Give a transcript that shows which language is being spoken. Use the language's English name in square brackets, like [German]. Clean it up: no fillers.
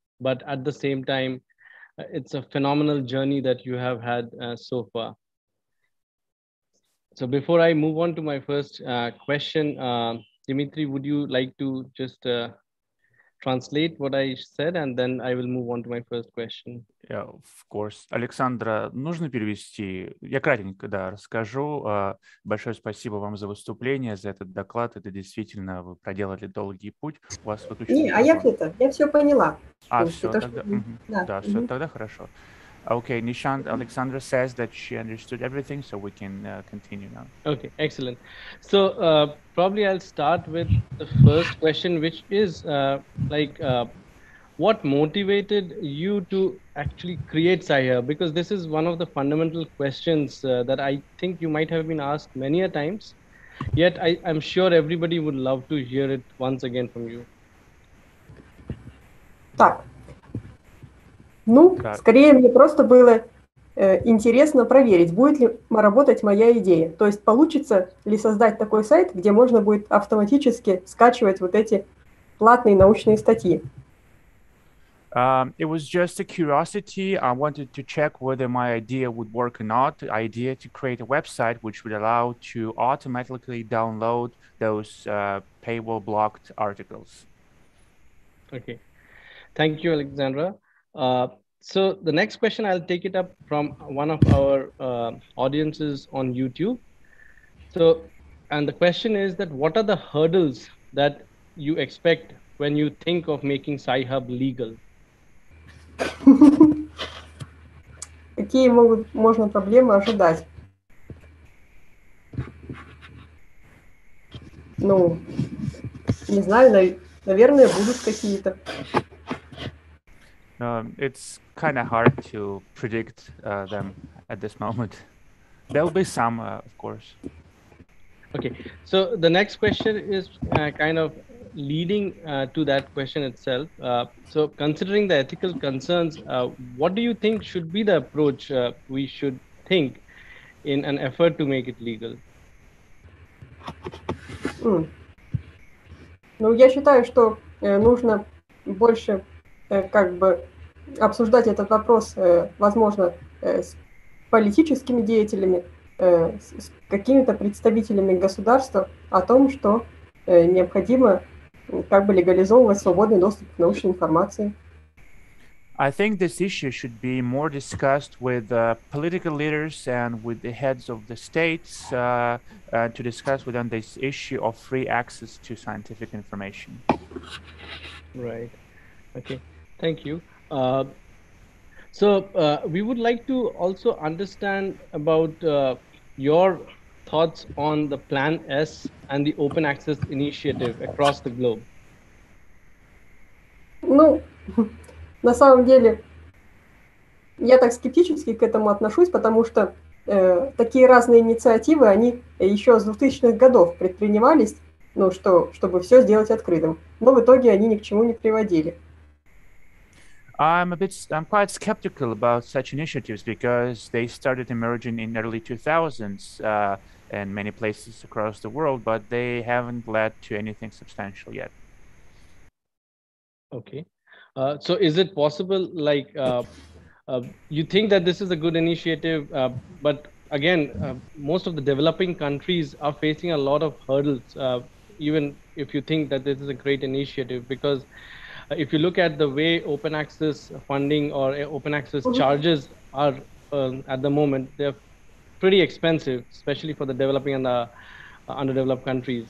[English] But at the same time, it's a phenomenal journey that you have had so far. So before I move on to my first question, Dimitri, would you like to just translate what I said, and then I will move on to my first question. Yeah, of course. [Russian] Александра, нужно перевести? Я кратенько, да, расскажу. Большое спасибо вам за выступление, за этот доклад. Это действительно, вы проделали долгий путь. У вас выключен микрофон. Не, а я-то, я все поняла. А, все, тогда, да, все, тогда хорошо. [English] Okay, Nishant, Alexandra says that she understood everything, so we can continue now. Okay, excellent. So probably I'll start with the first question, which is what motivated you to actually create Sci-Hub? Because this is one of the fundamental questions that I think you might have been asked many a times, yet I'm sure everybody would love to hear it once again from you. [Russian] Так. Ну, так. Скорее мне просто было интересно проверить, будет ли работать моя идея. То есть получится ли создать такой сайт, где можно будет автоматически скачивать вот эти платные научные статьи. [English] It was just a curiosity. I wanted to check whether my idea would work or not. Idea to create a website which would allow to automatically download those paywall blocked articles. Okay. Thank you, Alexandra. So the next question, I'll take it up from one of our audiences on YouTube. So, and the question is that what are the hurdles that you expect when you think of making Sci-Hub legal? [Russian] Какие могут можно проблемы ожидать? Ну, не знаю, наверное, будут какие-то. [English] It's kind of hard to predict them at this moment. There'll be some, of course. Okay, so the next question is kind of leading to that question itself. So considering the ethical concerns, what do you think should be the approach we should think in an effort to make it legal? [Russian] Ну, я считаю, что нужно больше как бы обсуждать этот вопрос, возможно, с политическими деятелями, с какими-то представителями государства о том, что необходимо как бы легализовывать свободный доступ к научной информации. [English] I think this issue should be more discussed with political leaders and with the heads of the states to discuss with them this issue of free access to scientific information. Right. Okay. Thank you. So we would like to also understand about your thoughts on the Plan S and the Open Access Initiative across the globe. No. [Russian] На самом деле, я так скептически к этому отношусь, потому что такие разные инициативы, они еще с 2000-х годов предпринимались, ну, чтобы все сделать открытым. Но в итоге они ни к чему не приводили. [English] I'm quite skeptical about such initiatives because they started emerging in early 2000s in many places across the world, but they haven't led to anything substantial yet. Okay. So is it possible, like, you think that this is a good initiative, but again, most of the developing countries are facing a lot of hurdles, even if you think that this is a great initiative, because if you look at the way open access funding or open access charges are at the moment, they're pretty expensive, especially for the developing and the underdeveloped countries.